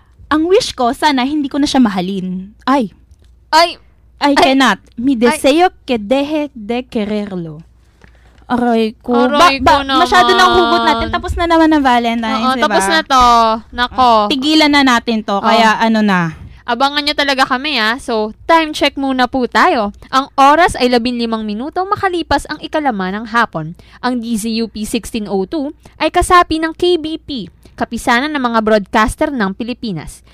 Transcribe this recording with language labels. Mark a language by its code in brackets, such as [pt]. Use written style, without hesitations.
[tl] Ang wish ko, sana hindi ko na siya mahalin. Ay. Ay. [en] I cannot. [es] Mi deseo que deje de quererlo. [tl] Aray ko. Aray ko naman. Masyado na ang hugot natin. Tapos na naman ang Valentine's, diba? Tapos na to. Nako. Tigilan na natin to. Kaya ano na. Abangan nyo talaga kami, ha? So, time check muna po tayo. Ang oras ay 15 minuto makalipas ang ikalaman ng hapon. Ang DZUP 1602 ay kasapi ng KBP, Kapisanan ng mga Broadcaster ng Pilipinas.